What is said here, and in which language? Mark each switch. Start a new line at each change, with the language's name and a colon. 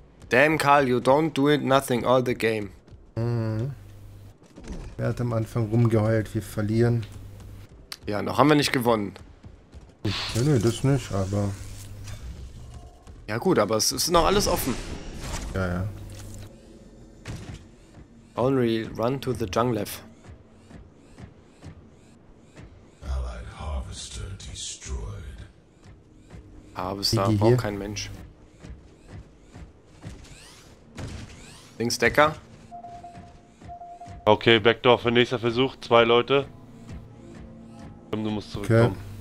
English: Damn, Carl, you don't do it, nothing, all the game.
German: Wer hat am Anfang rumgeheult, wir verlieren. Ja, noch haben wir nicht gewonnen. Nee, das nicht, aber... Ja gut, aber es ist noch alles offen. Ja, ja.
English: Only run to the jungle. Allied Harvester destroyed.
German: Harvester braucht kein Mensch. Links Decker. Okay, Backdoor für nächster Versuch. Zwei Leute. Du musst zurückkommen. Okay.